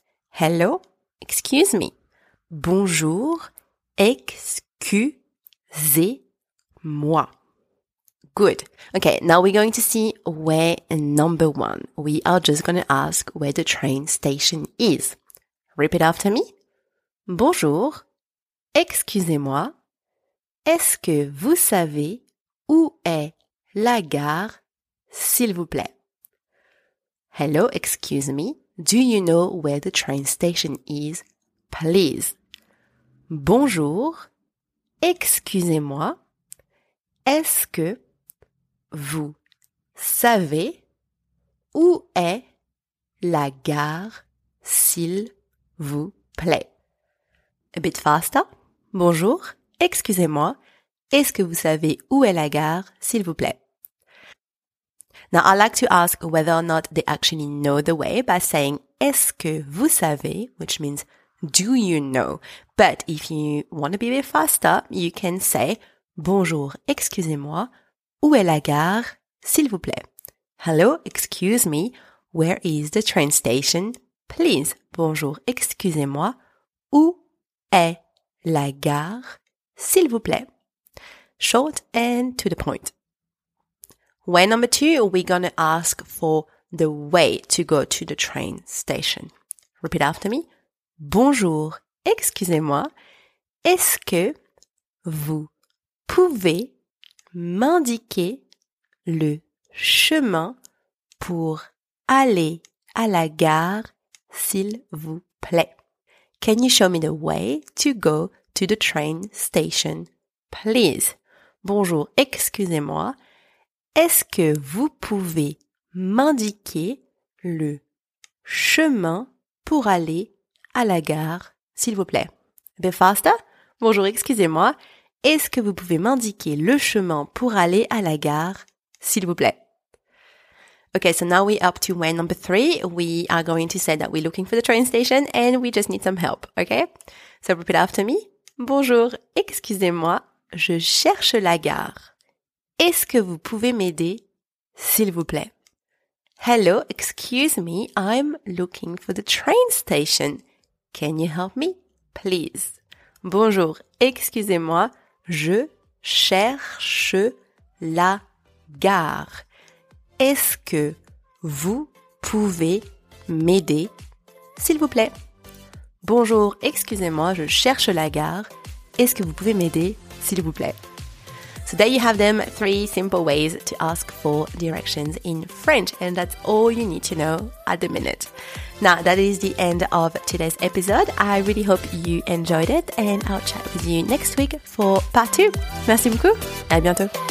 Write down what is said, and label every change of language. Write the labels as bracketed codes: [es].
[en] Hello, excuse me. [fr] Bonjour, excusez-moi. [en] Good. Okay, now we're going to see way number one. We are just going to ask where the train station is. Repeat after me. [fr] Bonjour, excusez-moi. Est-ce que vous savez où est la gare, s'il vous plaît? [en] Hello, excuse me. Do you know where the train station is, please? [fr] Bonjour, excusez-moi. Est-ce que vous savez où est la gare, s'il vous plaît? [en] A bit faster. [fr] Bonjour, excusez-moi. Est-ce que vous savez où est la gare, s'il vous plaît? [en] Now, I like to ask whether or not they actually know the way by saying, [fr] est-ce que vous savez, [en] which means, do you know? But if you want to be a bit faster, you can say, [fr] bonjour, excusez-moi, où est la gare, s'il vous plaît? [en] Hello, excuse me, where is the train station, please? [fr] Bonjour, excusez-moi, où est la gare, s'il vous plaît? [en] Short and to the point. Way number two, we're going to ask for the way to go to the train station. Repeat after me. [fr] Bonjour, excusez-moi. Est-ce que vous pouvez m'indiquer le chemin pour aller à la gare, s'il vous plaît? [en] Can you show me the way to go to the train station, please? [fr] Bonjour, excusez-moi. Est-ce que vous pouvez m'indiquer le chemin pour aller à la gare, s'il vous plaît? [en] A bit faster. [fr] Bonjour, excusez-moi. Est-ce que vous pouvez m'indiquer le chemin pour aller à la gare, s'il vous plaît? [en] Okay, so now we're up to way number three. We are going to say that we're looking for the train station and we just need some help, okay? So repeat after me. [fr] Bonjour, excusez-moi. Je cherche la gare. Est-ce que vous pouvez m'aider, s'il vous plaît? [en] Hello, excuse me, I'm looking for the train station. Can you help me, please? [fr] Bonjour, excusez-moi, je cherche la gare. Est-ce que vous pouvez m'aider, s'il vous plaît? Bonjour, excusez-moi, je cherche la gare. Est-ce que vous pouvez m'aider, s'il vous plaît? [en] So there you have them, three simple ways to ask for directions in French. And that's all you need to know at the minute. Now, that is the end of today's episode. I really hope you enjoyed it. And I'll chat with you next week for part two. [fr] Merci beaucoup. À bientôt.